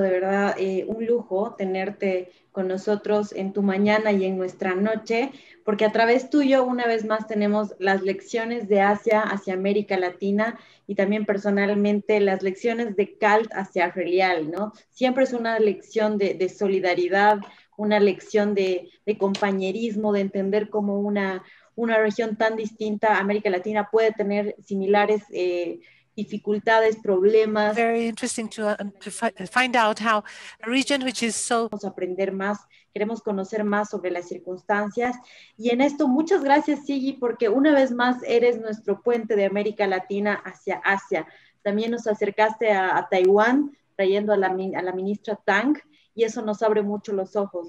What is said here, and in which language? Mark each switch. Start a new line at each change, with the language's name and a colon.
Spanish: De verdad, un lujo tenerte con nosotros en tu mañana y en nuestra noche, porque a través tuyo una vez más tenemos las lecciones de Asia hacia América Latina y también personalmente las lecciones de CALT hacia RELIAL, ¿no? Siempre es una lección de solidaridad, una lección de compañerismo, de entender cómo una región tan distinta, América Latina, puede tener similares dificultades, problemas.
English: Very interesting to find out how a region which is so...
Spanish: Vamos a aprender más, queremos conocer más sobre las circunstancias. Y en esto, muchas gracias, Sigi, porque una vez más eres nuestro puente de América Latina hacia Asia. También nos acercaste a Taiwán, trayendo a la ministra Tang, y eso nos abre mucho los ojos.